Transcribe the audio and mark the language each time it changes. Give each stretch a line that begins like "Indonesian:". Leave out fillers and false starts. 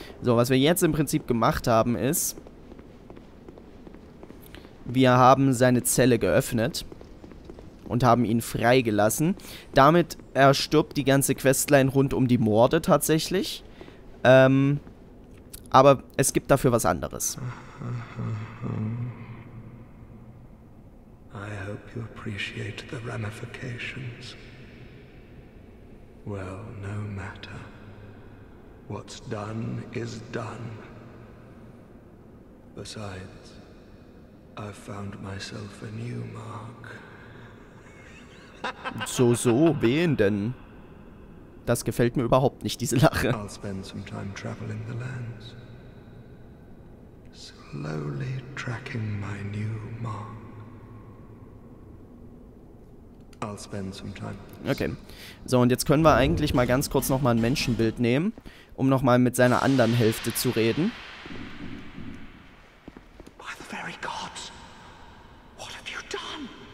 German: So, was wir jetzt im Prinzip gemacht haben ist, wir haben seine Zelle geöffnet und haben ihn freigelassen. Damit erstirbt die ganze Questline rund um die Morde tatsächlich. Aber es gibt dafür was anderes.
English: I hope you appreciate the ramifications. Well, no matter. What's done is done. Besides, I've found myself a new mark.
German: So, wen denn? Das gefällt mir überhaupt nicht, diese Lache.
English: I'll spend some time traveling the lands. Slowly tracking my new mark. I'll spend some time. Okay.
German: So, und jetzt können wir eigentlich mal ganz kurz nochmal ein Menschenbild nehmen, um nochmal mit seiner anderen Hälfte zu reden.
English: By the very gods! What have you done?